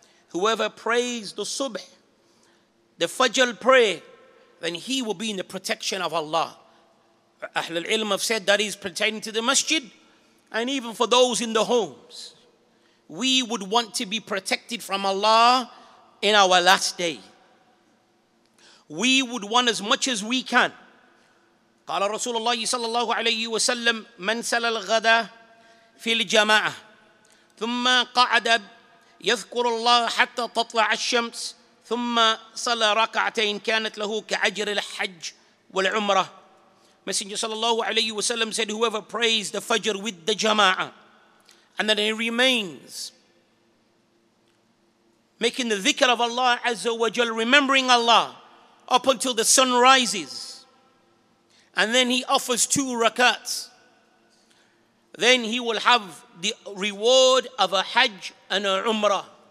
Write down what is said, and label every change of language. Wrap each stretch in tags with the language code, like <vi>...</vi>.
<en>Whoever prays the subh, the fajr prayer, then he will be in the protection of Allah. Ahl al-ilm have said that is pertaining to the masjid and even for those in the homes. We would want to be protected from Allah in our last day. We would want as much as we can.</en> <ar>قال رسول الله صلى الله عليه وسلم من سلى الغدا في الجماعة ثم قعد يذكر الله حتى تطلع الشمس ثم صلى ركعتين كانت له كأجر الحج والعمرة.</ar> <en>Messenger</en> <ar>صلى الله عليه وسلم</ar> <en>said, whoever prays the Fajr with the Jama'ah and then he remains making the dhikr of Allah Azza wa Jal, remembering Allah up until the sun rises, and then he offers two rakats, then he will have the reward of a Hajj and a Umrah.</en>